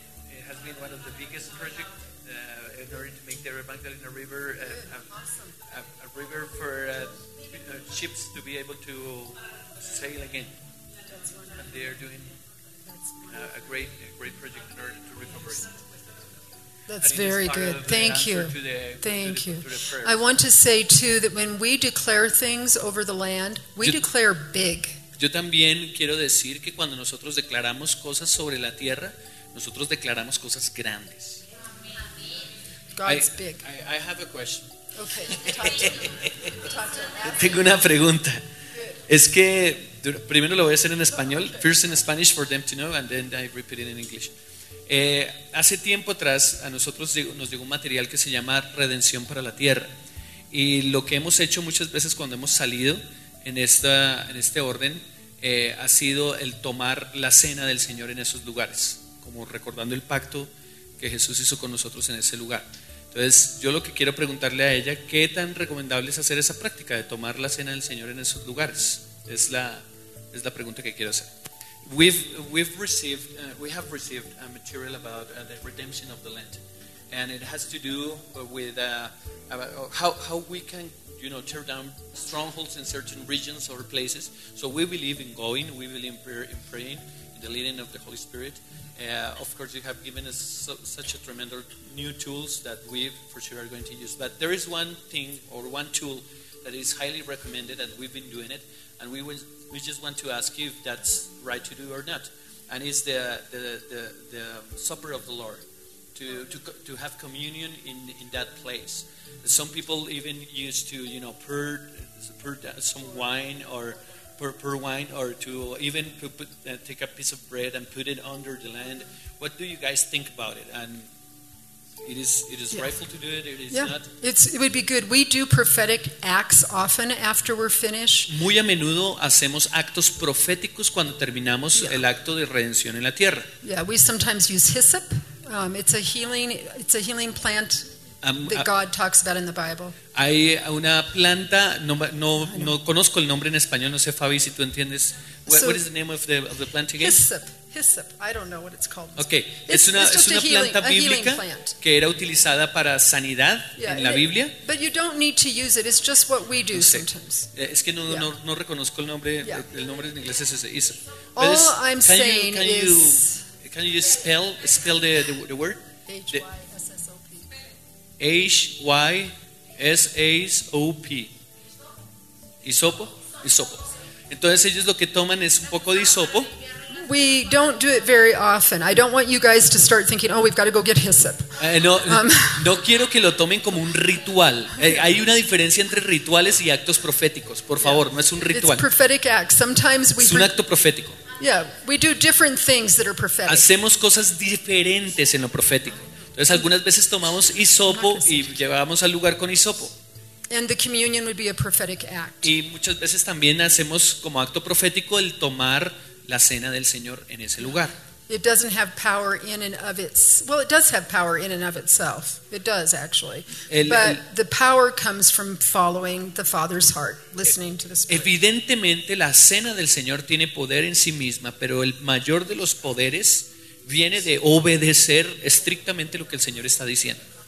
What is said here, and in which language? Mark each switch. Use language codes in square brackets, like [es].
[en] It has been one of the biggest projects in order to make the Magdalena River a river for ships to be able to sail again. And they are doing a great project in order to recover it. That's very good. Thank you. Thank you. I want to say too that when we declare things over the land, we declare big. [es] Yo también quiero decir que cuando nosotros declaramos cosas sobre la tierra, nosotros declaramos cosas grandes. [en] God's big. I have a question. Okay. Talk to [es] me. Tengo una pregunta. Es que primero lo voy a hacer en español. [en] First in Spanish for them to know, and then I repeat it in English. [es] Hace tiempo atrás a nosotros nos llegó un material que se llama Redención para la Tierra, y lo que hemos hecho muchas veces cuando hemos salido en este orden ha sido el tomar la cena del Señor en esos lugares, como recordando el pacto que Jesús hizo con nosotros en ese lugar. Entonces yo lo que quiero preguntarle a ella, ¿qué tan recomendable es hacer esa práctica de tomar la cena del Señor en esos lugares? Es la pregunta que quiero hacer. [en] We have received a material about the redemption of the land, and it has to do with how we can, you know, tear down strongholds in certain regions or places. So we believe in going, we believe in praying, in the leading of the Holy Spirit. Of course, you have given us such a tremendous new tools that we for sure are going to use. But there is one thing or one tool that is highly recommended, and we've been doing it, and we just want to ask you if that's right to do or not. And it's the Supper of the Lord, to have communion in that place. Some people even used to, you know, pour some wine or pour wine, or to even take a piece of bread and put it under the land. What do you guys think about it? And it is yeah, rightful to do it. It is, yeah, not. It would be good. We do prophetic acts often after we're finished. [es] Muy a menudo hacemos actos proféticos cuando terminamos, yeah, el acto de redención en la tierra. [en] Yeah, we sometimes use hyssop. It's a healing plant that God talks about in the Bible. [es] Hay una planta, no conozco el nombre en español. No sé, Fabi, si tú entiendes. [en] What is the name of the plant again? Hyssop. I don't know what it's called. [es] Okay, es una planta bíblica que era utilizada para sanidad, yeah, en la Biblia. [en] But you don't need to use it. It's just what we do sometimes. [es] Es que no, yeah, no reconozco el nombre. Yeah. El nombre en inglés es ese. Hyssop. [en] All I'm saying is, can you spell the word? Hyssop. [es] Hisopo. Hisopo. Entonces ellos lo que toman es un poco de hisopo. [en] We don't do it very often. I don't want you guys to start thinking, oh, we've got to go get hyssop. [es] No quiero que lo tomen como un ritual. Hay una diferencia entre rituales y actos proféticos. Por favor, no es un ritual. [en] It's prophetic act. Sometimes we. [es] Es un acto profético. [en] Yeah, we do different things that are prophetic. [es] Hacemos cosas diferentes en lo profético. Entonces algunas veces tomamos hisopo y llevamos al lugar con hisopo. [en] And the communion would be a prophetic act. [es] Y muchas veces también hacemos como acto profético el tomar la cena del Señor en ese lugar. [en] It doesn't have power in and of its. Well, it does have power in and of itself. It does, actually. But the power comes from following the Father's heart, listening to the Spirit. [es] Evidentemente, la cena del Señor tiene poder en sí misma, pero el mayor de los poderes viene de obedecer estrictamente lo que el Señor está diciendo.